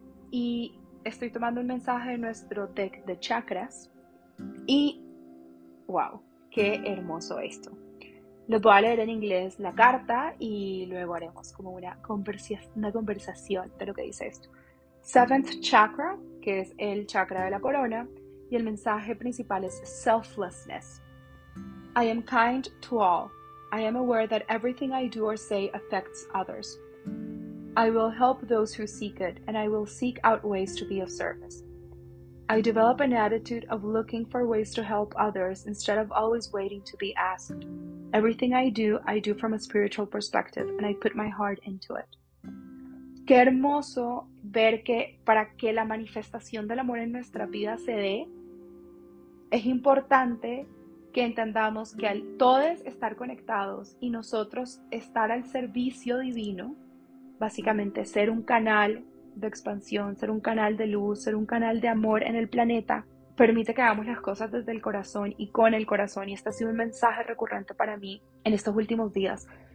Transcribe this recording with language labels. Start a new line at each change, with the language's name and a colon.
Spanish: Y estoy tomando un mensaje de nuestro deck de chakras y wow, qué hermoso esto. Les voy a leer en inglés la carta y luego haremos como una conversación de lo que dice esto.
English: Seventh chakra,
Spanish: que es el chakra de la corona, y el mensaje principal es selflessness.
English: I am kind to all. I am aware that everything I do or say affects others. I will help those who seek it, and I will seek out ways to be of service. I develop an attitude of looking for ways to help others instead of always waiting to be asked. Everything I do from a spiritual perspective, and I put my heart into it.
Spanish: Qué hermoso ver que para que la manifestación del amor en nuestra vida se dé, es importante que entendamos que al todos estar conectados y nosotros estar al servicio divino, básicamente ser un canal de expansión, ser un canal de luz, ser un canal de amor en el planeta, permite que hagamos las cosas desde el corazón y con el corazón. Y este ha sido un mensaje recurrente para mí en estos últimos días.